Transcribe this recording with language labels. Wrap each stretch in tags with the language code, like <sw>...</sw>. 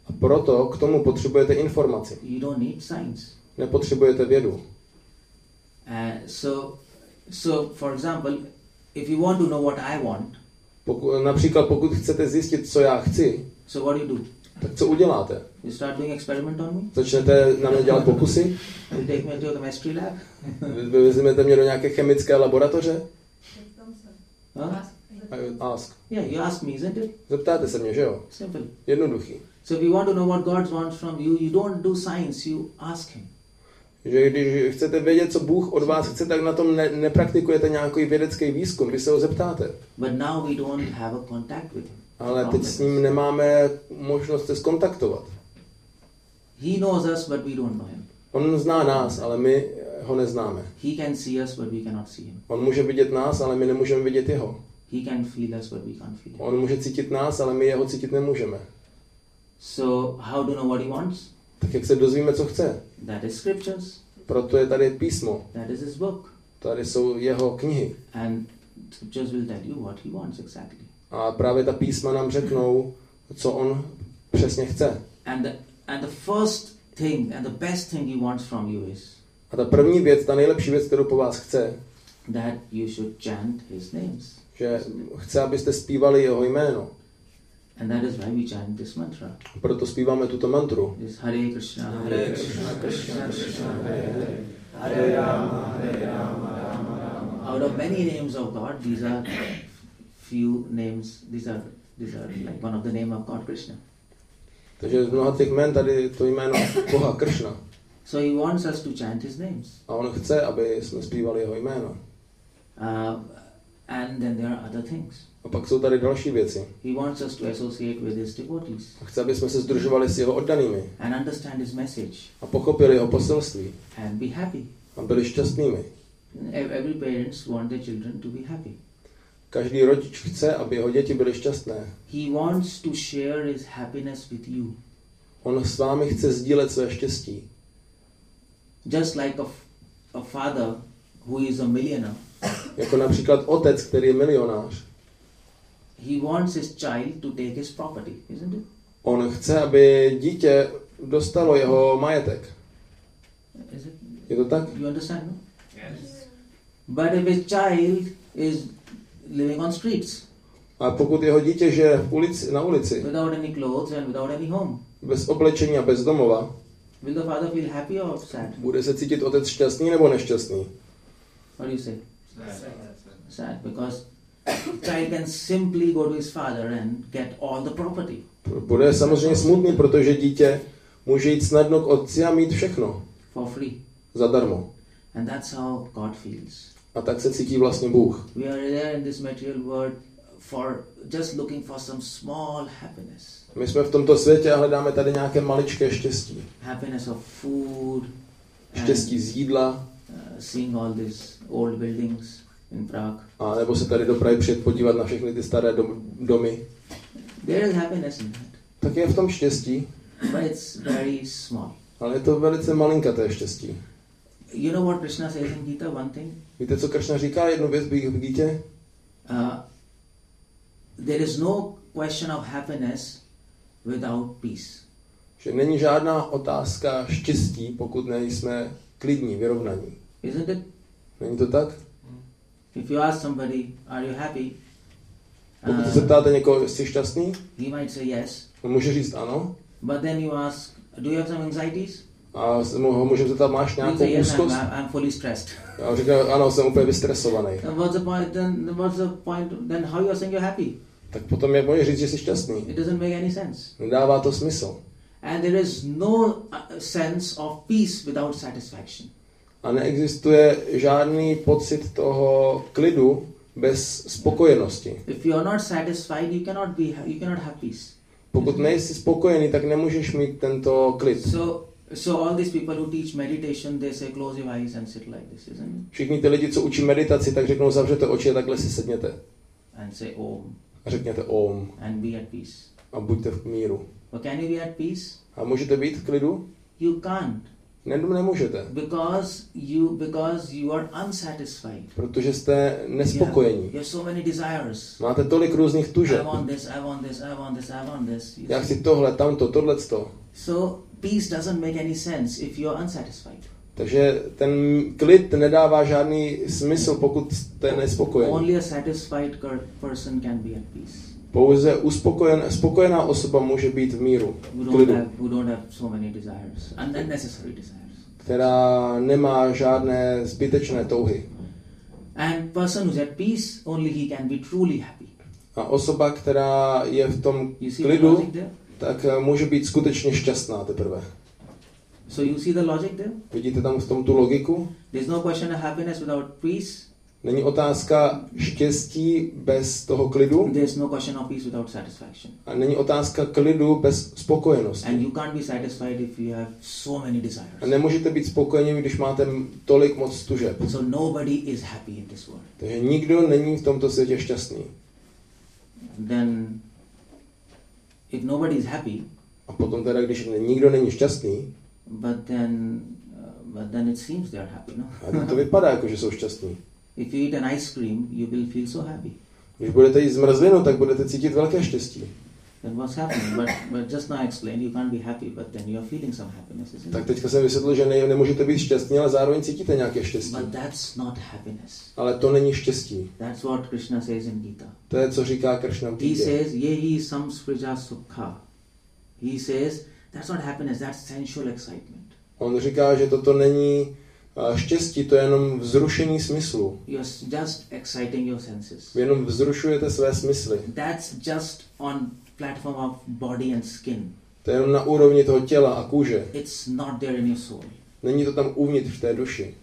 <cs>A proto k tomu potřebujete informaci.</cs> <en>You don't need science.</en> <cs>Nepotřebujete vědu.</cs> <en>So for example, if you want to know what I want,</en> <cs>pokud chcete zjistit, co já chci,</cs> <en>so what do you do?</en> <cs>Tak co uděláte?</cs> <en>You start doing experiment on me?</en> <cs>Začnete na mě dělat pokusy?</cs> <en>You take me to the chemistry lab?</en> <cs>Vezmete mě do nějaké chemické laboratoře? Huh?</cs> <en>Ask. Yeah, you ask me, isn't it?</en> <cs>Zeptáte se mě, že jo?</cs> <en>Simple.</en> <cs>Jednoduchý.</cs> <en>So if you want to know what God wants from you, you don't do science, you ask him.</en> <cs>Že když chcete vědět, co Bůh od vás chce, tak na tom nepraktikujete nějaký vědecký výzkum, vy se ho zeptáte.</cs> <en>But now we don't have a contact with him.</en> <cs>Ale teď s ním nemáme možnost se skontaktovat.</cs> <en>He knows us, but we don't know him.</en> <cs>On zná nás, ale my ho neznáme.</cs> <en>He can see us, but we cannot see him.</en> <cs>On může vidět nás, ale my nemůžeme vidět jeho.</cs> <en>He can feel us, but we can't feel him.</en> <cs>On může cítit nás, ale my jeho cítit nemůžeme.</cs> <en>So how do you know what he wants?</en> <cs>Tak jak se dozvíme, co chce?</cs> <en>That is scriptures.</en> <cs>Proto je tady písmo.</cs> <en>That is his book.</en> <cs>Tady jsou jeho knihy.</cs> <en>And scriptures will tell you what he wants exactly.</en> <cs>A právě ta písma nám řeknou, co on přesně chce.</cs> <en>And the first thing and the best thing he wants from you is.</en> <cs>A ta první věc, ta nejlepší věc, kterou po vás chce.</cs> <en>That you should chant his names.</en> <cs>Že chce, abyste zpívali jeho jméno.</cs> <en>And that is why we chant this mantra.</en> <cs>Proto zpíváme tuto mantru.</cs> <en>This Hare Krishna,</en> <sa>Hare Krishna, Krishna Krishna, Krishna, Krishna Hare Hare. Hare Rama, Hare Rama, Rama Rama.</sa> <en>Out of many names of God, these are few names. These are like one of the name of God, Krishna.</en> <cs>Takže z mnoha těch jmen tady to jméno Boha Krishna.</cs> <en>So he wants us to chant his names.</en> <cs>A on chce, aby jsme zpívali jeho jméno.</cs> <en>And then there are other things.</en> <cs>A pak jsou tady další věci.</cs> <en>He wants us to associate with his devotees.</en> <cs>A chce, aby jsme se sdružovali s jeho oddanými.</cs> <en>And understand his message.</en> <cs>A pochopili jeho poselství.</cs> <en>And be happy.</en> <cs>A byli šťastnými.</cs> <en>Every parents want their children to be happy.</en> <cs>Každý rodič chce, aby jeho děti byly šťastné.</cs> <en>He wants to share his happiness with you.</en> <cs>On s vámi chce sdílet své štěstí.</cs> <en>Just like a father who is a millionaire.</en> <cs>Jako například otec, který je milionář.</cs> <en>He wants his child to take his property, isn't it?</en> <cs>On chce, aby dítě dostalo jeho majetek.</cs> <en>Is it?</en> <cs>Je to tak?</cs> <en>You understand, no? Yes. But if his child is living on streets.</en> <cs>A pokud jeho dítě žije v ulici, na ulici.</cs> <en>Without any clothes and without any home.</en> <cs>Bez oblečení a bez domova.</cs> <en>Will the father feel happy or sad?</en> <cs>Bude se cítit otec šťastný nebo nešťastný?</cs> <en>What do you say? Sad. Sad, because the child can simply go to his father and get all the property.</en> <cs>Bude samozřejmě smutný, protože dítě může jít snadno k otci a mít všechno.</cs> <en>For free.</en> <cs>Zadarmo.</cs> <en>And that's how God feels.</en> <cs>A tak se cítí vlastně Bůh.</cs> <en>We are there in this material world for just looking for some small happiness.</en> <cs>My jsme v tomto světě a hledáme tady nějaké maličké štěstí.</cs> <en>Happiness of food.</en> <cs>Štěstí z jídla.</cs> <en>Seeing all these old buildings in Prague.</en> <cs>A nebo se tady do Prahy přijet podívat na všechny ty staré domy.</cs> <en>There is happiness in that.</en> <cs>Tak je v tom štěstí.</cs> <en>But it's very small.</en> <cs>Ale je to velice malinkaté štěstí.</cs> <en>You know what Krishna says in Gita, one thing?</en> <cs>Víte, co Krishna říká jednu věc v Gítě?</cs> <en>There is no question of happiness without peace.</en> <cs>Že není žádná otázka štěstí, pokud nejsme klidní, vyrovnaní.</cs> <en>Isn't it?</en> <cs>Není to tak?</cs> <en>If you ask somebody, are you happy?</en> <cs>Pokud se ptáte někoho, jsi šťastný?</cs> <en>He might say yes.</en> <cs>On může říct ano.</cs> <en>But then you ask, do you have some anxieties?</en> <cs>A ho můžeme zeptat, máš nějakou úzkost?</cs> <en>I'm fully stressed.</en> <cs>A on říká, ano, jsem úplně vystresovaný.</cs> <en>What's the point then, how you are saying you're happy?</en> <cs>Tak potom jak můžeš říct, že jsi šťastný?</cs> <en>It doesn't make any sense.</en> <cs>Nedává to smysl.</cs> <en>And there is no sense of peace without satisfaction.</en> <cs>A neexistuje žádný pocit toho klidu bez spokojenosti.</cs> <en>If you are not satisfied, you cannot have peace.</en> <cs>Pokud nejsi spokojený, tak nemůžeš mít tento klid.</cs> <en>So all these people who teach meditation, they say close your eyes and sit like this, isn't it?</en> <cs>Všichni ty lidi, co učí meditaci, tak řeknou zavřete oči a takhle si sedněte.</cs> <en>And say Om.</en> <cs>A řekněte Om.</cs> <en>And be at peace.</en> <cs>A buďte v míru.</cs> <en>But can you be at peace?</en> <cs>A můžete být v klidu?</cs> <en>You can't.</en> <cs>Nemůžete.</cs> <en>Because you are unsatisfied.</en> <cs>Protože jste nespokojení.</cs> <en>You have so many desires.</en> <cs>Máte tolik různých tužeb.</cs> <en>I want this.</en> <cs>Já chci tohle, tamto, tohleto.</cs> <en>So peace doesn't make any sense if you are unsatisfied.</en> <cs>Takže ten klid nedává žádný smysl, pokud jste nespokojený.</cs> <en>Only a satisfied person can be at peace.</en> <cs>Pouze spokojená osoba může být v míru, klidu.</cs> <en>Who don't have so many desires, unnecessary desires.</en> <cs>Která nemá žádné zbytečné touhy.</cs> <en>And person who's at peace, only he can be truly happy.</en> <cs>A osoba, která je v tom klidu, tak může být skutečně šťastná teprve.</cs> <en>So you see the logic there?</en> <cs>Vidíte tam v tom tu logiku?</cs> <en>There's no question of happiness without peace.</en> <cs>Není otázka štěstí bez toho klidu?</cs> <en>There is no question of peace without satisfaction.</en> <cs>A není otázka klidu bez spokojenosti?</cs> <en>And you can't be satisfied if you have so many desires.</en> <cs>A nemůžete být spokojeni, když máte tolik moc tužeb.</cs> <en>So nobody is happy in this world.</en> <cs>Takže nikdo není v tomto světě šťastný.</cs> <en>Then if nobody is happy.</en> <cs>A potom teda, když nikdo není šťastný.</cs> <en>But then it seems they are happy, no?</en> <cs>A to vypadá jako, že jsou šťastní.</cs> <en>If you eat an ice cream, you will feel so happy.</en> <cs>Když budete jíst zmrzlinu, tak budete cítit velké štěstí.</cs> <en>Then what's happening? But just now I explained, you can't be happy, but then you're feeling some happiness, isn't it?</en> <cs>Tak teďka jsem vysvětlil, že nemůžete být šťastní, ale zároveň cítíte nějaké štěstí.</cs> <en>But that's not happiness.</en> <cs>Ale to není štěstí.</cs> <en>That's what Krishna says in Gita.</en> <cs>To je, co říká Krishna v Gita.</cs> <en>He says,</en> <sa>yehi samsprija sukha.</sa> <en>He says, that's not happiness, that's sensual excitement.</en> <cs>On říká, že toto není štěstí, to je jenom vzrušení smyslu.</cs> <en>You're just exciting your senses.</en> <cs>Vy jenom vzrušujete své smysly.</cs> <en>That's just on platform of body and skin.</en> <cs>To je jenom na úrovni toho těla a kůže.</cs> <en>It's not there in your soul.</en> <cs>Není to tam uvnitř v té duši.</cs>